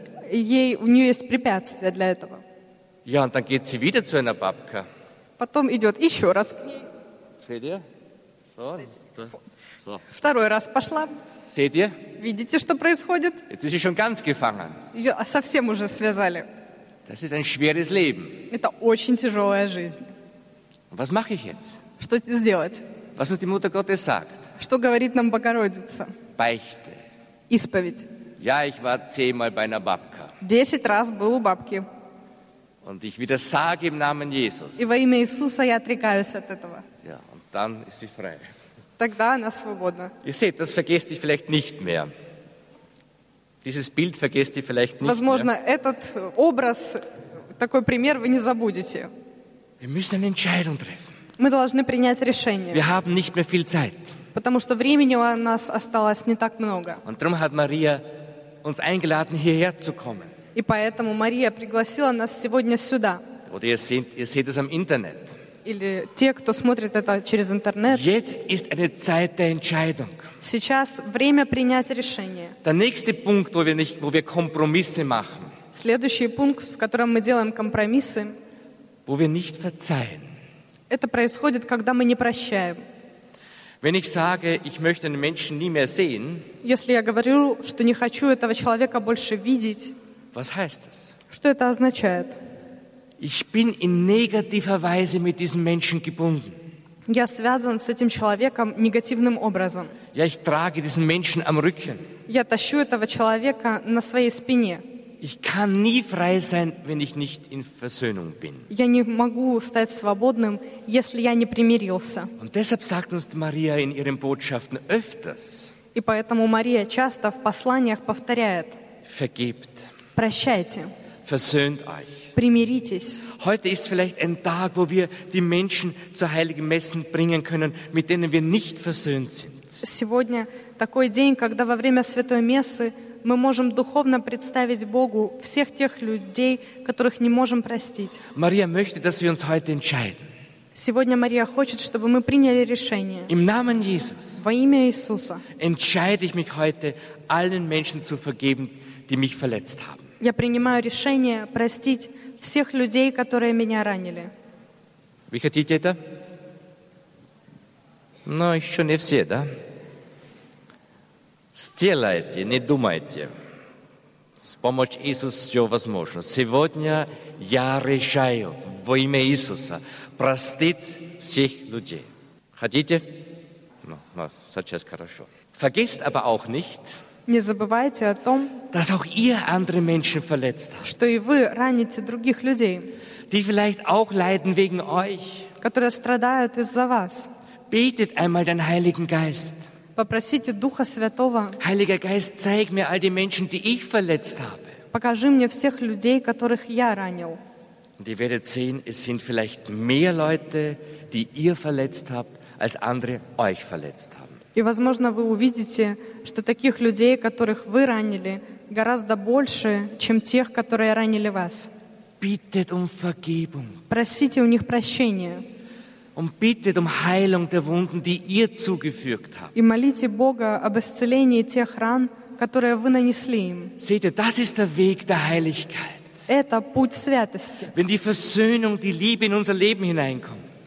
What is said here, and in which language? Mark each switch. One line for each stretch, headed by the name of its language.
Russian: Ей, у нее есть препятствия для этого.
German: Ja, und dann geht sie wieder zu einer Babka.
Russian: Потом идет еще раз к ней.
German: Seht ihr? So,
Russian: so. Второй раз пошла.
German: Seht ihr?
Russian: Видите, что происходит?
German: Jetzt ist sie schon ganz gefangen.
Russian: Ее совсем уже связали.
German: Das ist ein schweres Leben.
Russian: Это очень тяжелая жизнь.
German: Was mache ich jetzt?
Russian: Что сделать?
German: Was uns die Mutter Gottes sagt?
Russian: Что говорит нам Богородица?
German: Beichte.
Russian: Исповедь.
German: Ja, ich war 10-mal bei einer Babka.
Russian: 10 раз был у бабки.
German: Und ich widersage im Namen Jesus.
Russian: И во имя Иисуса я отрекаюсь от этого.
German: Ja, und dann ist sie frei.
Russian: Тогда она свободна.
German: Ihr seht, das vergesst ihr vielleicht nicht mehr. Dieses Bild vergesst ihr vielleicht nicht
Russian: Возможно,
German: mehr.
Russian: Этот образ, такой пример вы не забудете.
German: Wir müssen eine Entscheidung treffen.
Russian: Мы должны принять решение.
German: Wir haben nicht mehr viel Zeit.
Russian: Потому что времени у нас осталось не так много.
German: Und darum hat Maria uns eingeladen, hierher zu kommen.
Russian: И поэтому Мария пригласила нас сегодня сюда.
German: Oder ihr seht es am Internet.
Russian: Или те, кто смотрит это через интернет.
German: Jetzt ist eine Zeit der Entscheidung.
Russian: Сейчас время принять решение.
German: Der nächste Punkt, wo wir Kompromisse machen.
Russian: Следующий пункт, в котором мы делаем компромиссы.
German: Wo wir nicht verzeihen.
Russian: Это происходит, когда мы не прощаем.
German: Wenn ich sage, ich möchte einen Menschen nie mehr sehen.
Russian: Если я говорю, что не хочу этого человека больше видеть.
German: Was heißt das?
Russian: Что это означает?
German: Ich bin in negativer Weise mit diesem Menschen gebunden.
Russian: Я связан с этим человеком негативным образом.
German: Ja, ich trage diesen Menschen am Rücken.
Russian: Я тащу этого человека на своей спине.
German: Ich kann nie frei sein, wenn ich nicht in Versöhnung bin.
Russian: Я не могу стать свободным, если я не примирился.
German: Und deshalb sagt uns Maria in ihren Botschaften öfters.
Russian: И поэтому Мария часто в посланиях повторяет.
German: Vergebt.
Russian: Прощайте.
German: Versöhnt euch.
Russian: Примиритесь.
German: Heute ist vielleicht ein Tag, wo wir die Menschen zur heiligen Messe bringen können, mit denen wir nicht versöhnt sind.
Russian: Сегодня такой день, когда во время святой мессы мы можем духовно представить Богу всех тех людей, которых не можем простить.
German: Maria möchte, dass wir uns heute entscheiden.
Russian: Сегодня Мария хочет, чтобы мы приняли решение.
German: Im Namen Jesus.
Russian: Во имя Иисуса.
German: Entscheide ich mich heute, allen Menschen zu vergeben, die mich verletzt haben.
Russian: Я принимаю решение простить всех людей, которые меня ранили. Вы хотите это? Но еще не все, да? Сделайте, не думайте. С помощью Иисуса все возможно. Сегодня я решаю во имя Иисуса простить всех людей. Хотите? Ну, сейчас хорошо.
German: Vergesst aber auch nicht,
Russian: не забывайте о том,
German: dass auch ihr andere Menschen verletzt habt,
Russian: что и вы раните других людей,
German: die vielleicht auch leiden wegen euch,
Russian: которые страдают из-за вас.
German: Betet einmal den Heiligen Geist.
Russian: Попросите Духа Святого.
German: Heiliger Geist, zeig mir all die Menschen, die ich verletzt habe.
Russian: Покажи мне всех людей, которых я ранил.
German: Und ihr werdet sehen, es sind vielleicht mehr Leute, die ihr verletzt habt, als andere euch verletzt haben.
Russian: И, возможно, вы увидите, что таких людей, которых вы ранили, гораздо больше, чем тех, которые ранили вас.
German: Bittet um Vergebung.
Russian: Просите у них прощения.
German: Und bittet um Heilung der Wunden, die ihr zugefügt habt.
Russian: И молите Бога об исцелении тех ран, которые вы нанесли им.
German: Seht ihr, das ist der Weg der Heiligkeit.
Russian: Это путь святости.
German: Wenn die Versöhnung, die Liebe in unser Leben hineinkommt.